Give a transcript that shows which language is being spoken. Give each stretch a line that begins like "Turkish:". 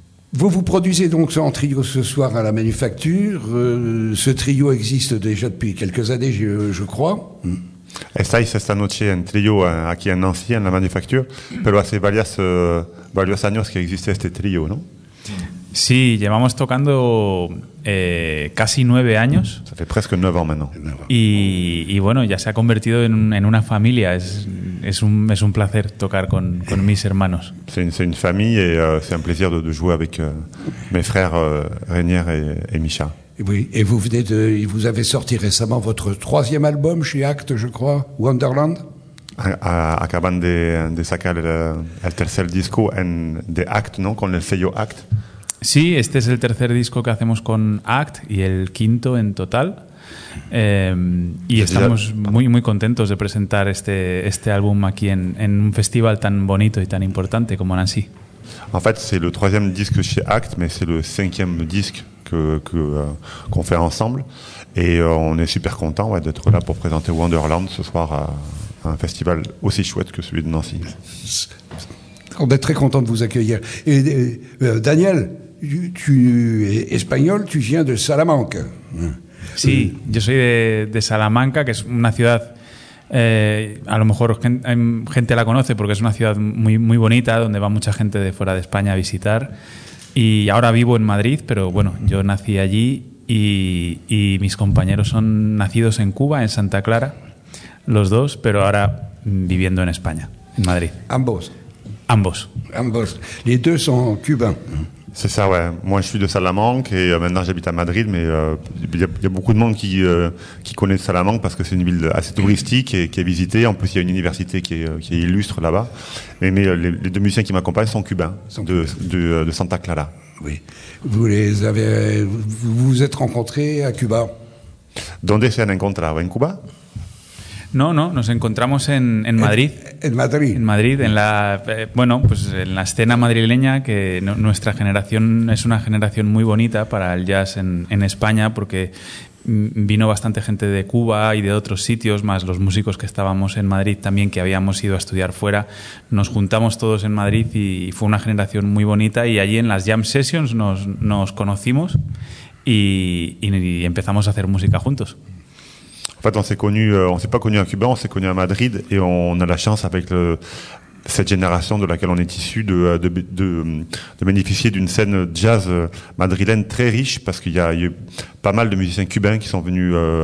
French: Vous produisez donc en trio ce soir à la Manufacture. Ce trio existe déjà depuis quelques années, je crois.
Spanish: Estáis esta noche en trio aquí en Nancy, en la Manufacture, pero hace varios años que existe este trio, ¿no? Sí, llevamos tocando casi 9 años.
French: Ça fait presque 9 ans maintenant.
Spanish: Y bueno, ya se ha convertido en una familia. Es un placer tocar con mis hermanos.
French: C'est une famille et c'est un plaisir de jouer avec mes frères Reiner et Micha. Oui, et vous avez sorti récemment votre 3e album chez Acte, je crois, Wonderland.
Spanish: Acaban de sacar el tercer disco de Acte, ¿no? Con el sello Acte. Sí, este es el tercer disco que hacemos con Act y el quinto en total. Y estamos muy, muy contentos de presentar este álbum aquí en un festival tan bonito y tan importante como Nancy.
French: En fait, c'est le 3e disque chez Act, mais c'est le 5e disque qu'on fait ensemble. Et on est super contents, ouais, d'être là pour présenter Wonderland ce soir à un festival aussi chouette que celui de Nancy. On est très content de vous accueillir. Et Daniel, tu es espagnol, tu viens de Salamanque.
Spanish: Sí, yo soy de Salamanca, que es una ciudad, a lo mejor gente la conoce porque es una ciudad muy, muy bonita, donde va mucha gente de fuera de España a visitar. Y ahora vivo en Madrid, pero bueno, yo nací allí y mis compañeros son nacidos en Cuba, en Santa Clara, los dos, pero ahora viviendo en España, en Madrid. Ambos. Ambos. Ambos.
French: Les deux sont cubains. C'est ça, ouais. Moi, je suis de Salamanque et maintenant, j'habite à Madrid, mais il y a beaucoup de monde qui connaît Salamanque parce que c'est une ville assez touristique et qui est visitée. En plus, il y a une université qui est illustre là-bas. Mais les deux musiciens qui m'accompagnent sont cubains, de Santa Clara. Oui. Vous vous êtes rencontrés à Cuba.
Spanish: ¿Dónde se han encontrado? ¿En Cuba? No, nos encontramos en Madrid. En Madrid. En Madrid, en la, bueno, pues en la escena madrileña, que nuestra generación es una generación muy bonita para el jazz en España, porque vino bastante gente de Cuba y de otros sitios, más los músicos que estábamos en Madrid también, que habíamos ido a estudiar fuera. Nos juntamos todos en Madrid y fue una generación muy bonita, y allí en las jam sessions nos conocimos y empezamos a hacer música juntos.
French: En fait, on s'est pas connu à Cuba, on s'est connu à Madrid, et on a la chance avec cette génération de laquelle on est issu de bénéficier d'une scène jazz madrilène très riche, parce qu'il y a eu pas mal de musiciens cubains qui sont venus